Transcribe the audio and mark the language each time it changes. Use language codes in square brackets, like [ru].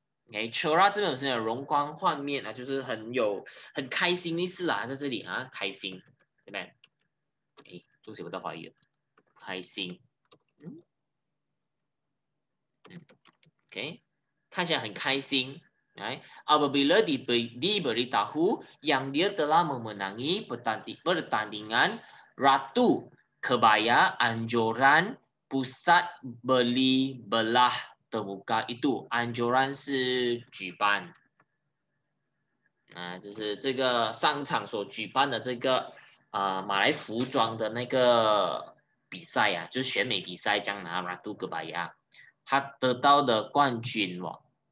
[zh] Okay, cerah 这边有什么容光焕面、啊、就是很开心的意思啦，在这里啊，开心，对不对？哎，中学我都怀疑了，开心，嗯 ，OK， 看起来很开心。 [ms] 来 ，apabila diberi tahu yang dia telah memenangi pertandingan ratu kebaya anjuran Pusat Beli Belah Terbuka itu anjuran [zh] 是举办，就是这个商场所举办的这个马来服装的那个比赛啊，就是选美比赛，这样拿马杜格巴亚，他得到的冠军哦。